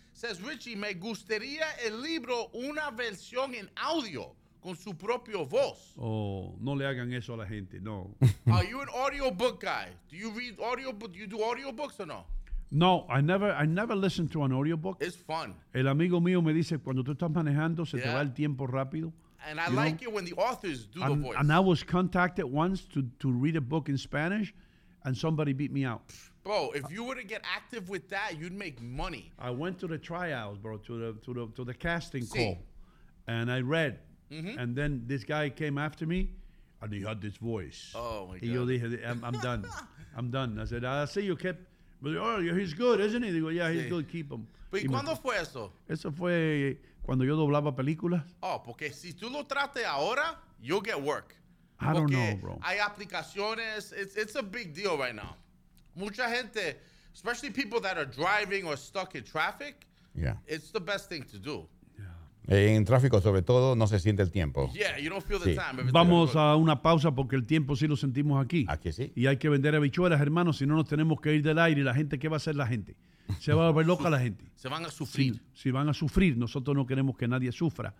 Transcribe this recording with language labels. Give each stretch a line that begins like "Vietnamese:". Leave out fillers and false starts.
English: Says Richie,
Spanish: me gustaría el libro una versión en audio con su propio voz. Oh, no le hagan eso a la gente, no.
English: Are you an audiobook guy? Do you read audiobook? Do you do audiobooks or no? No, I never listen to an audiobook. It's fun.
Spanish: El amigo mío me dice cuando tú estás manejando se te va el tiempo rápido.
English: And I like it when the authors do the voice. And I was contacted once to read a book in Spanish, and somebody beat me out. Bro, if you were to get active with that, you'd make money. I went to the tryout, bro, to the casting call, and I read Mm-hmm. And then this guy came after me, and he had this voice. Oh, my God.
Spanish: Y yo dije,
English: I'm done. I'm done. I said, I see you kept. But oh, he's good, isn't he?
Spanish: Digo,
English: yeah, he's good. Keep him.
Spanish: ¿Y cuándo fue eso? Eso fue cuando yo doblaba películas. Oh, porque si tú lo trates ahora,
English: you'll get work. I don't know, bro.
Spanish: Hay aplicaciones.
English: It's a big deal right now.
Spanish: Mucha gente,
English: especially people that are driving or stuck in traffic, yeah, it's the best thing to do.
Spanish: En tráfico, sobre todo, no se siente el tiempo.
English: Yeah, you don't feel the time.
Spanish: Vamos a una pausa porque el tiempo sí lo sentimos aquí. Aquí sí. Y hay que vender habichuelas, hermanos, si no nos tenemos que ir del aire. ¿Y la gente qué va a hacer la gente? Se va a volver loca la gente. Se van a sufrir. Si van a sufrir, nosotros no queremos que nadie sufra.